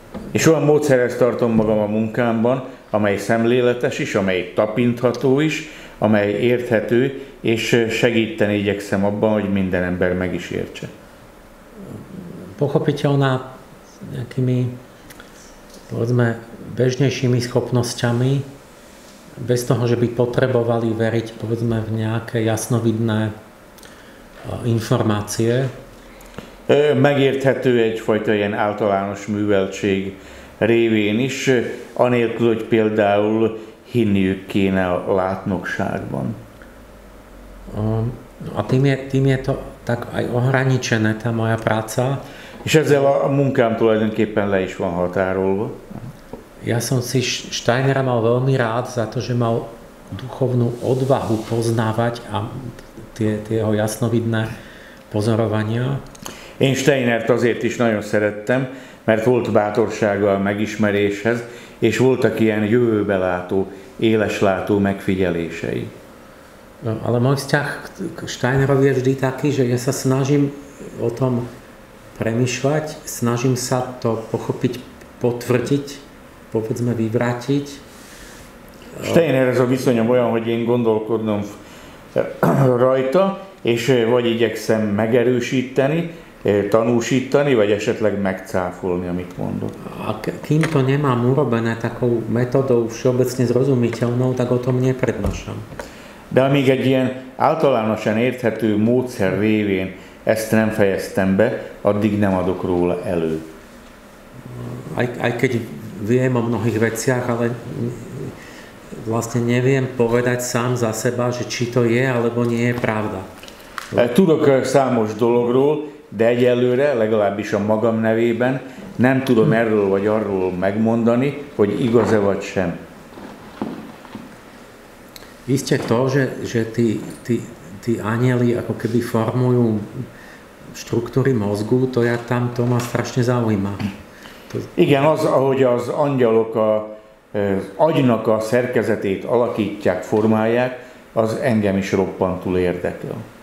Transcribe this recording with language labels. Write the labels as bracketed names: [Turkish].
[Hungarian] És olyan módszerhez tartom magam a munkámban, amely szemléletes is, amely tapintható is, amely érthető, és segíteni igyekszem abban, hogy minden ember meg is értse. [Slovak] Pochopiteľná nejakými, povedzme, bežnejšími schopnosťami, bez toho, že by potrebovali veriť, povedzme, v nejaké jasnovidné informácie. [Hungarian] Megérthető egyfajta ilyen általános műveltség révén is, anélkül, hogy például hinniük kéne a látnokságban. [Slovak] A tým je to tak aj ohraničené, tá moja práca. [Hungarian] És ezzel a munkám tulajdonképpen le is van határolva. [Slovak] Ja som si Steinera mal veľmi rád za to, že mal duchovnú odvahu poznávať a tie jeho jasnovidné pozorovania. [Hungarian] Én Steinert azért is nagyon szerettem, mert volt bátorsága a megismeréshez, és voltak ilyen jövőbelátó, éleslátó megfigyelései. [Slovak] No, ale môj vzťah k Steinerovi je vždy taký, že ja sa snažím o tom premýšľať, snažím sa to pochopiť, potvrdiť, povedzme vyvrátiť. [Hungarian] Steiner ez a viszonyom olyan, hogy én gondolkodnom rajta, és vagy igyekszem megerősíteni, tanúsítani, vagy esetleg megcáfolni, amit mondok. [Slovak] A kým to nemám urobené takou metodou všeobecne zrozumiteľnou, tak o tom neprednášam. [Hungarian] De amíg egy ilyen általánosan érthető módszer révén ezt nem fejeztem be, addig nem adok róla elő. [Slovak] Aj keď viem o mnohých veciach, ale vlastne neviem povedať sám za seba, že či to je, alebo nie je pravda. [Hungarian] Tudok számos dologról, de egyelőre, legalábbis a magam nevében, nem tudom erről vagy arról megmondani, hogy igaz-e vagy sem. [Slovak] Isté to, že tí anjeli ako keby formujú štruktúry mozgu, to ja tam, to ma strašne zaujíma. [Hungarian] Igen, az, ahogy az angyalok az agynak a szerkezetét alakítják, formálják, az engem is roppantul érdekel.